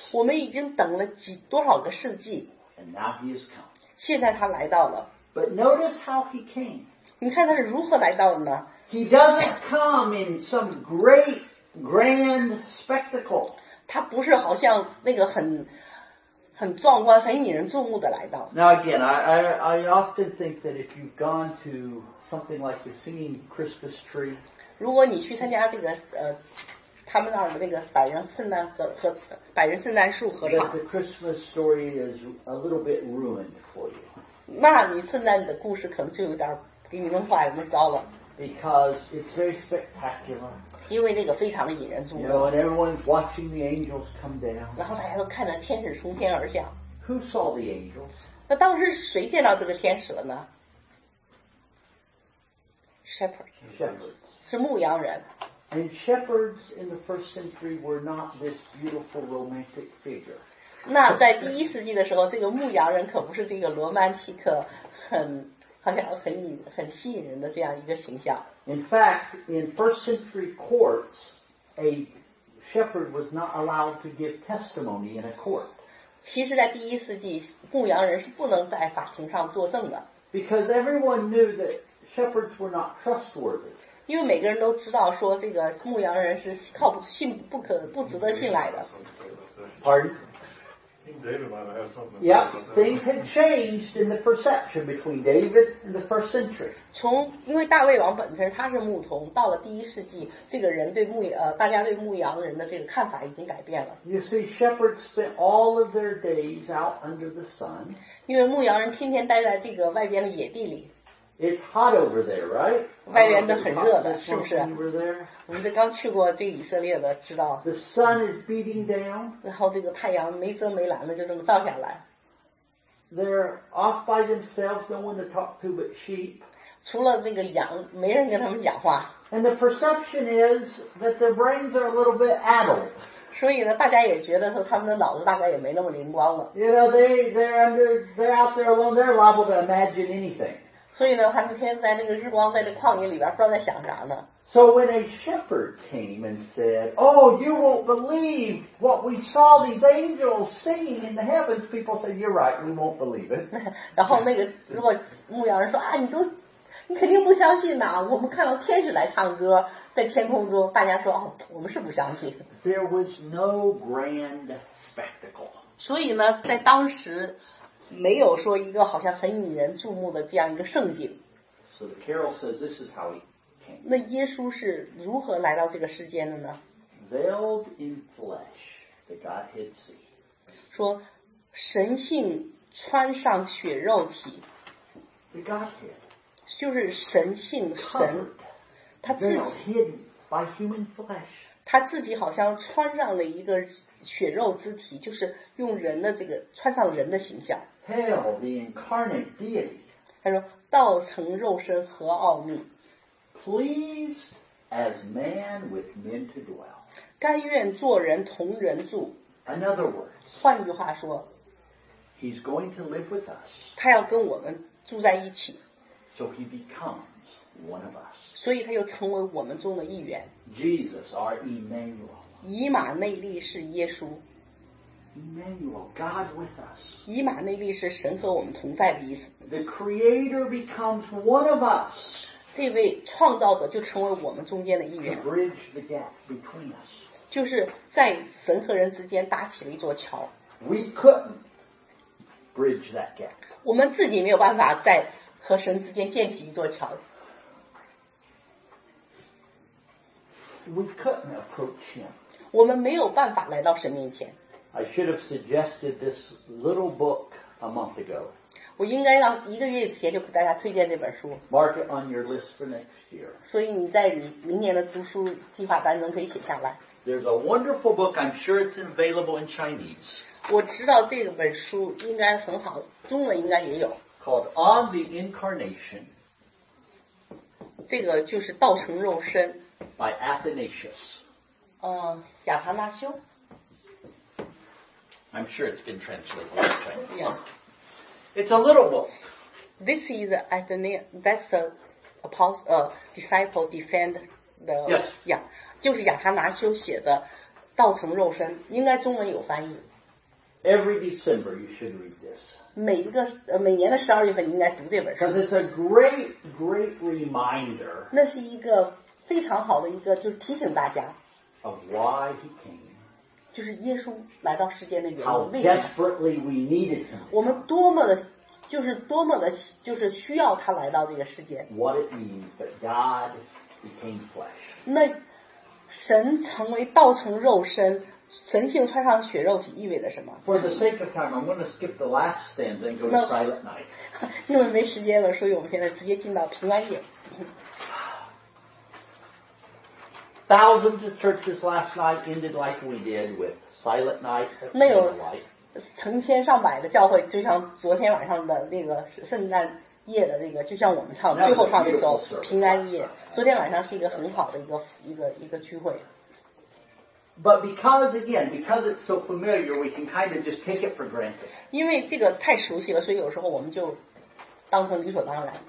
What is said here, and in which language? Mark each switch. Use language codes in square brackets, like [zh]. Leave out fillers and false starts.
[zh] 我们已经等了几多少个世纪。 [en] And now he is come. [zh] 现在他来到了。 [en] But notice how he came. [zh] 你看他是如何来到的呢？ [en] He doesn't come in some great, grand spectacle. [zh] 他不是好像那个很壮观、很引人注目的来到。 [en] Now again, I often think that if you've gone to something like the singing Christmas tree, [zh] 如果你去参加这个他们那儿的那个百人圣诞和百人圣诞树合唱 [en] the Christmas story is a little bit ruined for you. [zh] 那你圣诞的故事可能就有点给你弄坏了，弄糟了。 [en] Because it's very spectacular. [zh] 因为那个非常的引人注目。 [en] You know, and everyone's watching the angels come down. [zh] 然后大家都看着天使从天而降。 [en] Who saw the angels? [zh] 那当时谁见到这个天使了呢 [en] ？Shepherds. [zh] 是牧羊人。 [en] And shepherds in the first century were not this beautiful romantic figure. [zh] 那在第一世纪的时候，这个牧羊人可不是这个罗曼蒂克很好像很吸引人的这样一个形象。 [en] In fact, in first century courts, a shepherd was not allowed to give testimony in a court. [zh] 其实在第一世纪，牧羊人是不能在法庭上作证的。 [en] Because everyone knew that shepherds were not trustworthy. [zh] 因为每个人都知道说这个牧羊人是靠不信不可不值得信赖的。 [en] Pardon? David might have something to say. Yep, things had changed in the perception between David and the first century. [zh] 从因为大卫王本身他是牧童，到了第一世纪，这个人对牧大家对牧羊人的这个看法已经改变了。 [en] You see, shepherds spent all of their days out under the sun. [zh] 因为牧羊人天天待在这个外边的野地里。 [en] It's hot over there, right? [zh] 外边的很热的，是不是？ [en] Over there. [zh] 我们这刚去过这以色列的，知道。 [en] The sun is beating down. [zh] 然后这个太阳没遮没拦的就这么照下来。 [en] They're off by themselves, no one to talk to but sheep. [zh] 除了那个羊，没人跟他们讲话。 [en] And the perception is that their brains are a little bit addled. [zh] 所以呢，大家也觉得说他们的脑子大概也没那么灵光了。 [en] You know, they're out there alone. They're liable to imagine anything. [zh] 所以呢，他们天天在那个日光，在那旷野里边，不知道在想啥呢。 [en] So when a shepherd came and said, "Oh, you won't believe what we saw these angels singing in the heavens," people said, "You're right, we won't believe it." [zh] 然后那个如果牧羊人说啊，你肯定不相信呐，我们看到天使来唱歌，在天空中，大家说哦，我们是不相信。 [en] There was no grand spectacle. [zh] 所以呢，在当时。没有说一个好像很引人注目的这样一个盛景。 [en] So the carol says this is how he came. [zh] 那耶稣是如何来到这个世间的呢？ [en] Veiled in flesh, the Godhead see. [zh] 说神性穿上血肉体。 [en] The Godhead. [zh] 就是神性神。他自己。 [en] Hidden by human flesh. [zh] 他自己好像穿上了一个血肉之体，就是用人的这个穿上人的形象。 [en] Hail the incarnate deity. [zh] 他说道成肉身何奥秘。 [en] Pleased as man with men to dwell. [zh] 甘愿做人同人住。 [en] In other words. [zh] 换句话说。 [en] He's going to live with us. [zh] 他要跟我们住在一起。 [en] So he becomes one of us. [zh] 所以他又成为我们中的一员。 [en] Jesus, our Emmanuel. [zh] 以马内利是耶稣。 [en] Emmanuel, God with us. [zh] 以马内利是神和我们同在的意思。 [en] The Creator becomes one of us. [zh] 这位创造者就成为我们中间的一员。 [en] To bridge the gap between us. [zh] 就是在神和人之间搭起了一座桥。 [en] We couldn't bridge that gap. [zh] 我们自己没有办法在和神之间建起一座桥。 [en] We couldn't approach him. [zh] 我们没有办法来到神面前。 [en] I should have suggested this little book a month ago. [zh] 我应该让一个月前就给大家推荐这本书。 [en] Mark it on your list for next year. [zh] 所以你在你明年的读书计划当中可以写下来。 [en] There's a wonderful book. I'm sure it's available in Chinese. [zh] 我知道这本书应该很好，中文应该也有。 [en] Called On the Incarnation. [zh] 这个就是道成肉身。 [en] By Athanasius. [zh] 亚塔纳修。 [en] I'm sure it's been translated into Chinese. Yeah. It's a little book. This is that's the apostle, disciple defend the. Yes. Yeah. [zh] 就是亚塔纳修写的《道成肉身》，应该中文有翻译。 [en] Every December you should read this. [zh] 每年的十二月份你应该读这本书。 [en] Because it's a great, great reminder. [zh] 那是一个。非常好的一个就是提醒大家 [en] of why he came, [zh] 就是耶稣来到世间的原因 [en] how desperately we needed him, [zh] 我们多么的就是多么的就是需要他来到这个世界 [en] what it means that God became flesh, [zh] 那神成为道成肉身神性穿上血肉体意味着什么 [en] for the sake of time, I'm going to skip the last stanza and go to silent night, [zh] 因为没时间了所以我们现在直接进到平安夜 [en] Thousands of churches last night ended like we did with silent night and candle light. [zh] 成千上百的教会就像昨天晚上的那个圣诞夜的那个就像我们唱最后唱的时候平安夜昨天晚上是一个很好的一个聚会。 [en] But because it's so familiar, we can kind of just take it for granted. [zh] 因为这个太熟悉了所以有时候我们就当成理所当然。